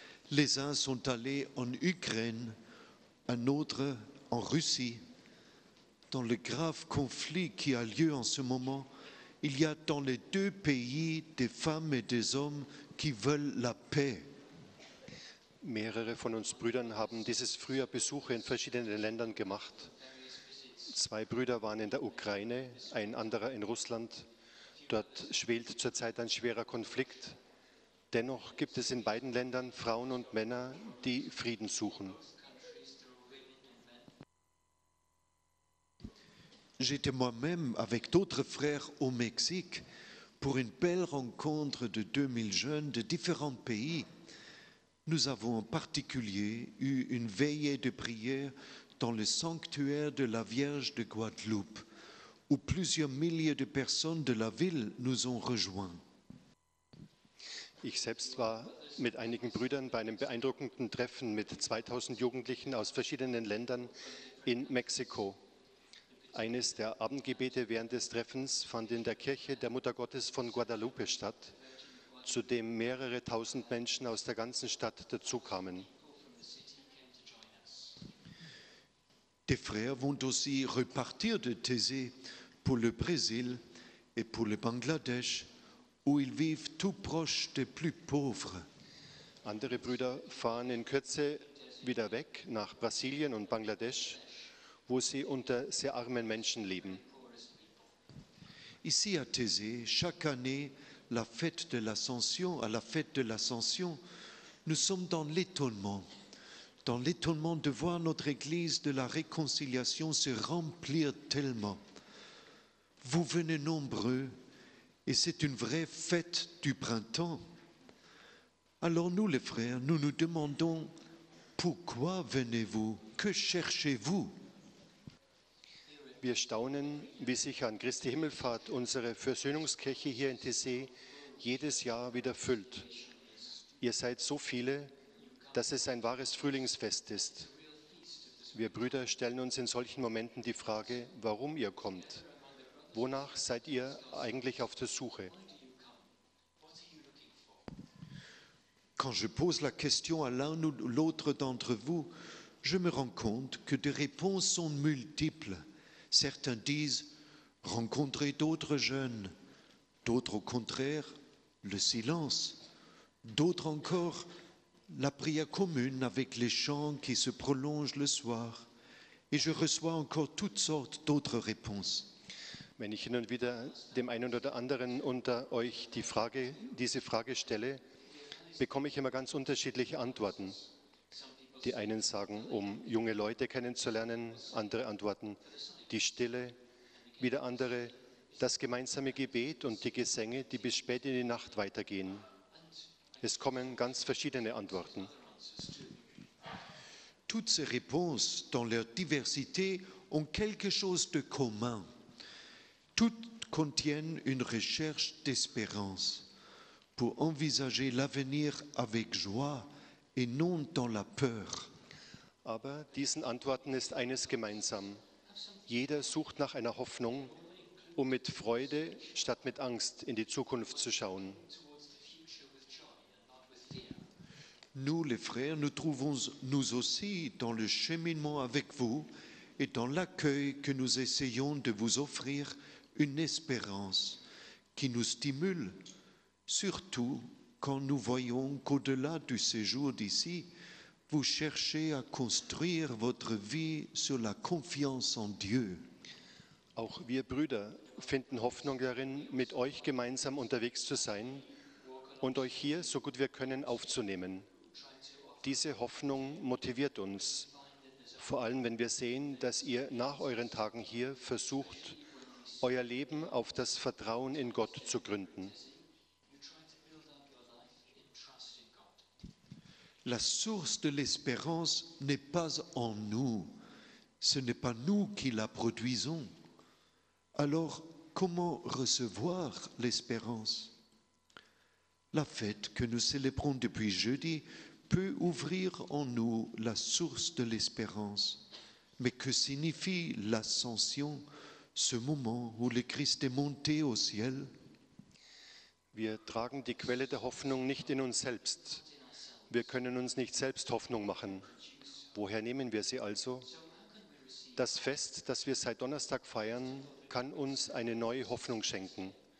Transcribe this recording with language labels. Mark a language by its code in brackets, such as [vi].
[fr] Les uns sont allés en Ukraine, un autre en Russie. Dans le grave conflit qui a lieu en ce moment, il y a dans les deux pays des femmes et des hommes qui veulent la paix. [de] Mehrere von uns Brüdern haben dieses Frühjahr Besuche in verschiedenen Ländern gemacht. Zwei Brüder waren in der Ukraine, ein anderer in Russland. Dort schwelt zurzeit ein schwerer Konflikt. Dennoch gibt es in beiden Ländern Frauen und Männer, die Frieden suchen. [fr] J'étais moi-même avec d'autres frères au Mexique pour une belle rencontre de 2000 jeunes de différents pays. Nous avons en particulier eu une veillée de prière dans le sanctuaire de la Vierge de Guadeloupe, où plusieurs milliers de personnes de la ville nous ont rejoints. [de] Ich selbst war mit einigen Brüdern bei einem beeindruckenden Treffen mit 2000 Jugendlichen aus verschiedenen Ländern in Mexiko. Eines der Abendgebete während des Treffens fand in der Kirche der Muttergottes von Guadalupe statt, zu dem mehrere tausend Menschen aus der ganzen Stadt dazukamen. [fr] Tes frères vont aussi repartir de Thésée pour le Brésil et pour le Bangladesh, où ils vivent tout proche des plus pauvres. [de] Andere Brüder fahren in Kürze wieder weg nach Brasilien und Bangladesch, wo sie unter sehr armen Menschen leben. [fr] Ici à Thésée, chaque année, la fête de l'Ascension, à la fête de l'Ascension, nous sommes dans l'étonnement de voir notre Église de la Réconciliation se remplir tellement. Vous venez nombreux, et c'est une vraie fête du printemps. Alors nous, les frères, nous nous demandons, pourquoi venez-vous? Que cherchez-vous? [de] Wir staunen, wie sich an Christi Himmelfahrt unsere Versöhnungskirche hier in Thésée jedes Jahr wieder füllt. Ihr seid so viele, dass es ein wahres Frühlingsfest ist. Wir Brüder stellen uns in solchen Momenten die Frage, warum ihr kommt. Wonach seid ihr eigentlich auf der Suche? [fr] Quand je pose la question à l'un ou l'autre d'entre vous, je me rends compte que des réponses sont multiples. Certains disent rencontrer d'autres jeunes, d'autres au contraire le silence, d'autres encore la prière commune avec les chants qui se prolongent le soir, et je reçois encore toutes sortes d'autres réponses. [de] Wenn ich hin und wieder dem einen oder anderen unter euch diese Frage stelle, bekomme ich immer ganz unterschiedliche Antworten. Die einen sagen, um junge Leute kennenzulernen, andere antworten die Stille, wieder andere das gemeinsame Gebet und die Gesänge, die bis spät in die Nacht weitergehen. Es kommen ganz verschiedene Antworten. [fr] Toutes ces réponses, dans leur diversité, ont quelque chose de commun. Toutes contiennent une recherche d'espérance pour envisager l'avenir avec joie et non dans la peur. [de] Aber diesen Antworten ist eines gemeinsam. Jeder sucht nach einer Hoffnung, um mit Freude statt mit Angst in die Zukunft zu schauen. [fr] Nous, les frères, nous trouvons nous aussi dans le cheminement avec vous et dans l'accueil que nous essayons de vous offrir une espérance qui nous stimule, surtout quand nous voyons qu'au-delà du séjour d'ici, vous cherchez à construire votre vie sur la confiance en Dieu. [de] Auch wir Brüder finden Hoffnung darin, mit euch gemeinsam unterwegs zu sein und euch hier so gut wir können aufzunehmen. Diese Hoffnung motiviert uns, vor allem wenn wir sehen, dass ihr nach euren Tagen hier versucht, euer Leben auf das Vertrauen in Gott zu gründen. [fr] La source de l'espérance n'est pas en nous. Ce n'est pas nous qui la produisons. Alors, comment recevoir l'espérance? La fête que nous célébrons depuis jeudi peut ouvrir en nous la source de l'espérance. Mais que signifie l'ascension? Ce moment où le Christ est monté au ciel. [de] Wir tragen die Quelle der Hoffnung nicht in uns selbst. Wir können uns nicht selbst Hoffnung machen. Woher nehmen wir sie also? Das Fest, das wir seit Donnerstag feiern, kann uns eine neue Hoffnung schenken.